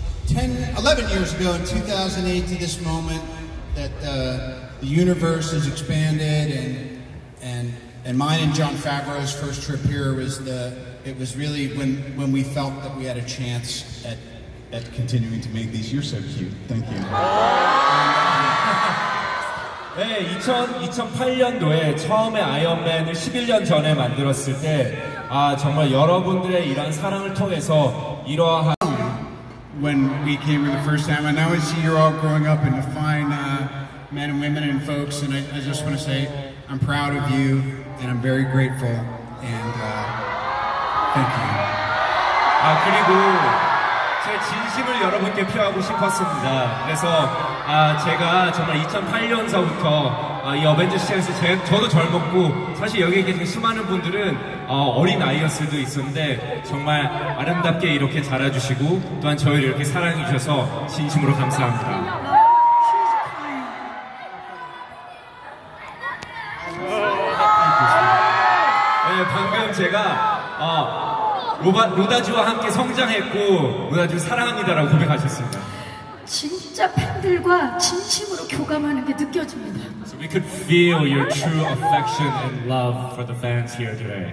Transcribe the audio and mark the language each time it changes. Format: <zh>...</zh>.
<en>11 years ago in 2008 to this moment that the universe has expanded and mine and Jon Favreau's first trip here was it was really when we felt that we had a chance at continuing to make these. You're so cute. Thank you.</en> <ko>2008년도에 처음에 아이언맨을 11년 전에 만들었을 때 아 정말 여러분들의 이런 사랑을 통해서 이러한</ko> <en>When we came here the first time, and I would see you're all growing up into fine men and women and folks, and I just want to say I'm proud of you, and I'm very grateful, and thank you.</en> <ko>아 그리고 제 진심을 여러분께 표하고 싶었습니다. 그래서 아 제가 정말 2008년서부터 이 어벤져스 시장에서 저도 젊었고 사실 여기 계신 수많은 분들은 어린 아이였을 수도 있었는데 정말 아름답게 이렇게 자라주시고 또한 저희를 이렇게 사랑해 주셔서 진심으로 감사합니다. Oh. 네, 방금 제가 루다즈와 함께 성장했고 루다즈 사랑합니다라고 고백하셨습니다. 진짜 팬들과 진심으로 교감하는 게 느껴집니다.</ko> <en>So we could feel your true affection and love for the fans here today.</en>